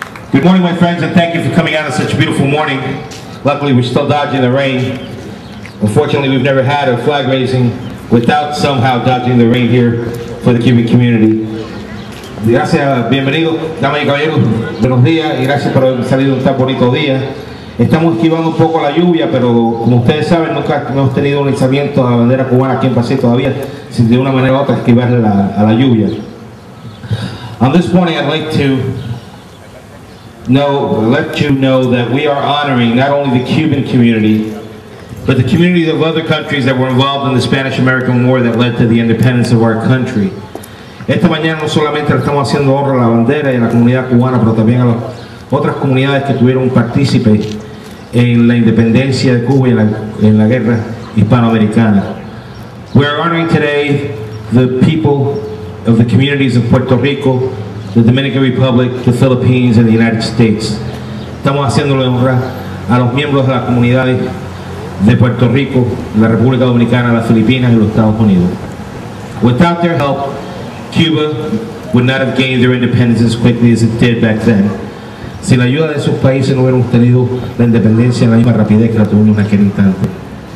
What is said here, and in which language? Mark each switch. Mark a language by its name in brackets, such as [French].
[English] Good morning, my friends, and thank you for coming out on such a beautiful morning. Luckily, we're still dodging the rain. Unfortunately, we've never had a flag raising without somehow dodging the rain here for the Cuban community. [Spanish] Gracias, bienvenido, damas y caballeros. Buenos días y gracias por haber salido un tan bonito día. Estamos esquivando un poco la lluvia, pero como ustedes saben, nunca hemos tenido un lanzamiento a la bandera cubana aquí en Passaic todavía, sin de una manera u otra esquivar a la lluvia. [English] On this morning, I'd like to let you know that we are honoring not only the Cuban community, but the communities of other countries that were involved in the Spanish-American War that led to the independence of our country. [Spanish] Esta mañana no solamente estamos haciendo honra a la bandera y a la comunidad cubana, pero también a las otras comunidades que tuvieron partícipe en la independencia de Cuba y en la guerra hispanoamericana. [English] We are honoring today the people of the communities of Puerto Rico, the Dominican Republic, the Philippines, and the United States. [Spanish] Estamos haciéndole honra a los miembros de las comunidades de Puerto Rico, la República Dominicana, las Filipinas y los Estados Unidos. [English] Without their help, Cuba would not have gained their independence as quickly as it did back then. [Spanish] Sin la ayuda de esos países no hubiéramos tenido la independencia en la misma rapidez que la tuvimos en aquel instante.